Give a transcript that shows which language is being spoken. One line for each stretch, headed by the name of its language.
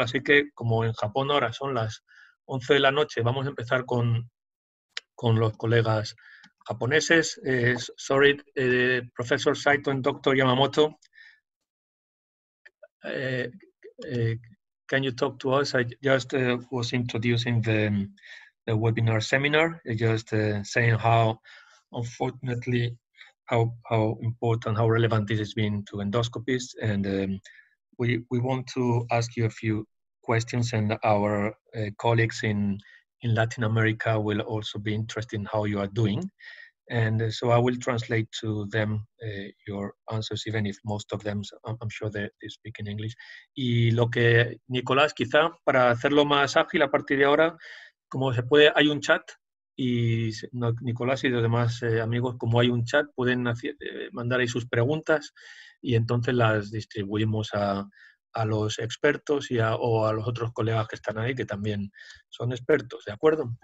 Spanish: Así que, como en Japón ahora son las 11 de la noche, vamos a empezar con los colegas japoneses.
English: Sorry, Professor Saito and Dr. Yamamoto. Can you talk to us? I just was introducing the webinar seminar, just saying how unfortunately, how important, how relevant this has been to endoscopists. And we want to ask you a few questions, and our colleagues in Latin America will also be interested in how you are doing. And so I will translate to them your answers, even if most of them, I'm sure they speak in English.
Spanish: Y lo que, Nicolás, quizá para hacerlo más ágil a partir de ahora, como se puede, hay un chat. Y Nicolás y los demás amigos, como hay un chat, pueden mandar ahí sus preguntas y entonces las distribuimos a los expertos o a los otros colegas que están ahí, que también son expertos, ¿de acuerdo?